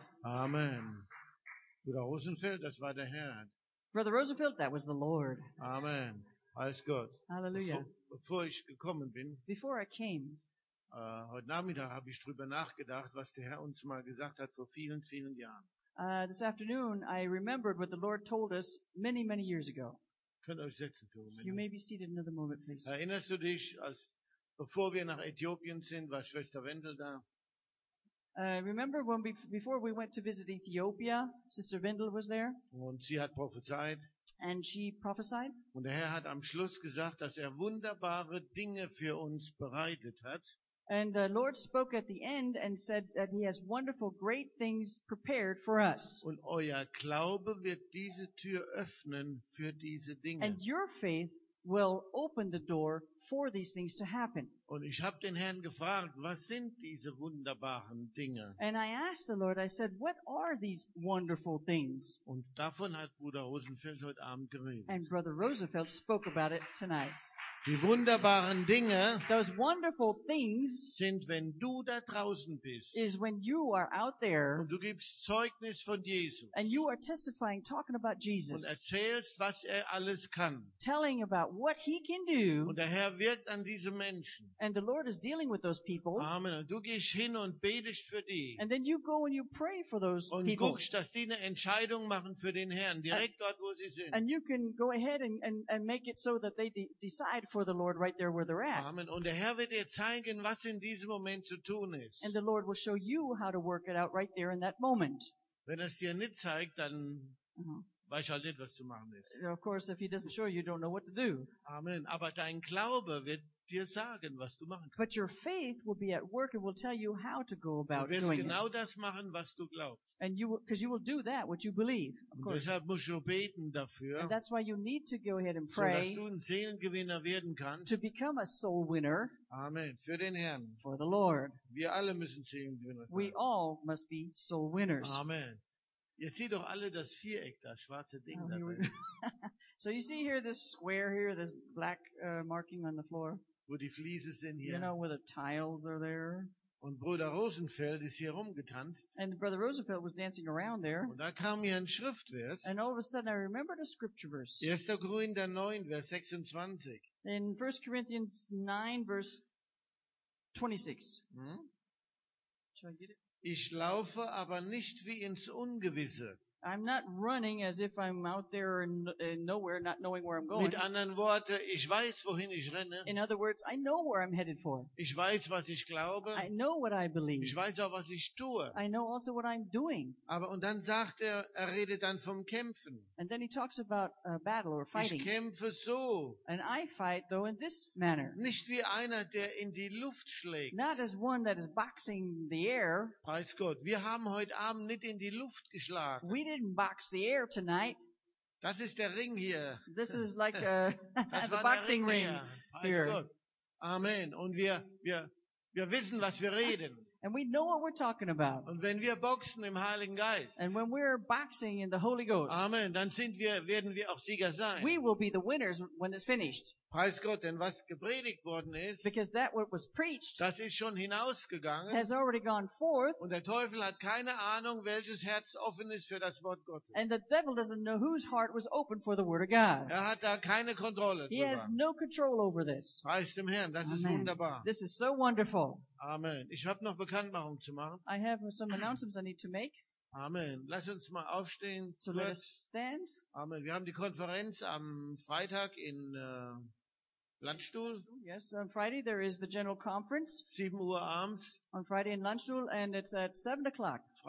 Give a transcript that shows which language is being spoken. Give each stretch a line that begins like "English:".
German: Amen. Bruder Rosenfeld, das war der Herr.
English: Brother Rosenfeld, that was the Lord.
German: Amen. Alles gut. Hallelujah. Bevor ich gekommen bin,
English: before I came,
German: heute Nachmittag habe ich drüber nachgedacht, was der Herr uns mal gesagt hat vor vielen, vielen Jahren.
English: This afternoon, I remembered what the Lord told us many, many years ago.
German: Könnt euch setzen für einen Moment.
English: You may be seated another moment, please.
German: Erinnerst du dich, als bevor wir nach Äthiopien sind, war Schwester Wendel da?
English: Remember when before we went to visit Ethiopia, Sister Wendel was there.
German: Und sie hat prophezeit.
English: And she prophesied.
German: Und der Herr hat am Schluss gesagt, dass er wunderbare Dinge für uns bereitet hat.
English: And the Lord spoke at the end and said that he has wonderful great things prepared for us.
German: Und euer Glaube wird diese Tür öffnen für diese Dinge.
English: And your faith will open the door for these things to happen.
German: Und ich habe den Herrn gefragt, was sind diese wunderbaren Dinge?
English: And I asked the Lord, I said, what are these wonderful things?
German: Und davon hat Bruder Rosenfeld heute Abend geredet.
English: And Brother Rosenfeld spoke about it tonight.
German: Die wunderbaren Dinge,
English: those wonderful things,
German: sind, wenn du da draußen bist,
English: is when you are out there,
German: und du gibst Zeugnis von Jesus,
English: and you are testifying, talking about Jesus,
German: und erzählst, was er alles kann,
English: telling about what he can do,
German: und der Herr wirkt an diese Menschen,
English: and the Lord is dealing with those people,
German: Amen. Und du gehst hin und betest für die,
English: and then you go and you pray for those
German: und
English: people,
German: und guckst, dass die eine Entscheidung machen für den Herrn, direkt dort, wo sie sind,
English: and you can go ahead and make it so that they decide for the Lord right there where they're at.
German: Amen. Und der Herr wird dir zeigen, was in diesem Moment zu tun ist.
English: And the Lord will show you how to work it out right there in that moment.
German: Wenn es dir nicht zeigt, dann weiß halt nicht, was zu machen ist.
English: Of course, if he doesn't show you, you don't know what to do.
German: Amen. Aber dein Glaube wird dir sagen, was du machen kannst.
English: But your faith will be at work and will tell you how to go about doing it.
German: Du wirst genau das machen, was du glaubst.
English: And you, because you will do that, what you believe.
German: Und deshalb musst du beten dafür.
English: And that's why you need to go ahead and pray.
German: So dass du ein Seelengewinner werden kannst.
English: To become a soul winner.
German: Amen. Für den Herrn.
English: For the Lord.
German: Wir alle müssen Seelengewinner sein.
English: We all must be soul winners.
German: Amen. Ihr seht doch alle das Viereck, das schwarze Ding da drin.
English: So you see here this square here, this black marking on the floor.
German: Wo die Fliesen sind hier.
English: You know where the tiles are there.
German: Und Bruder Rosenfeld ist hier rumgetanzt.
English: And Brother Rosenfeld was dancing around there.
German: Und da kam mir ein Schriftvers.
English: And all of a sudden I remembered a scripture verse.
German: 1. Korinther 9, Vers 26.
English: In 1 Corinthians 9, verse 26. Should I get it?
German: Ich laufe aber nicht wie ins Ungewisse.
English: I'm not running as if I'm out there in nowhere, not knowing where I'm going.
German: Mit anderen Worten, ich weiß, wohin ich renne.
English: In other words, I know where I'm headed for.
German: Ich weiß, was ich glaube.
English: I know what I believe.
German: Ich weiß auch, was ich tue.
English: I know also what I'm doing.
German: Aber und dann sagt er redet dann vom Kämpfen.
English: And then he talks about a battle or fighting.
German: Ich kämpfe so.
English: And I fight though in this manner.
German: Nicht wie einer, der in die Luft schlägt.
English: Not as one that is boxing the air.
German: Preis Gott, wir haben heute Abend nicht in die Luft geschlagen.
English: We didn't box the air tonight.
German: Das ist der Ring hier.
English: This is like a the boxing ring here.
German: Amen. Und wir wissen, was wir reden.
English: And we know what we're talking about.
German: Und wenn wir boxen im Heiligen Geist.
English: And when we're boxing in the Holy Ghost.
German: Amen. Dann werden wir auch Sieger sein.
English: We will be the winners when it's finished.
German: Preis Gott, denn was gepredigt worden ist,
English: because that what was preached,
German: das ist schon hinausgegangen,
English: has already gone forth,
German: und der Teufel hat keine Ahnung, welches Herz offen ist für das Wort Gottes.
English: And the devil doesn't know whose heart was open for the word of God.
German: Er hat da keine Kontrolle drüber.
English: He has no control over this.
German: Preis dem Herrn, das Amen. Ist wunderbar.
English: This is so wonderful.
German: Amen. Ich habe noch Bekanntmachung zu machen.
English: I have some announcements I need to make.
German: Amen. Lass uns mal aufstehen.
English: So let us stand.
German: Amen. Wir haben die Konferenz am Freitag in Landstuhl.
English: Yes, on Friday there is the general conference.
German: 7 Uhr abends.
English: On Friday in Landstuhl and it's at 7 o'clock.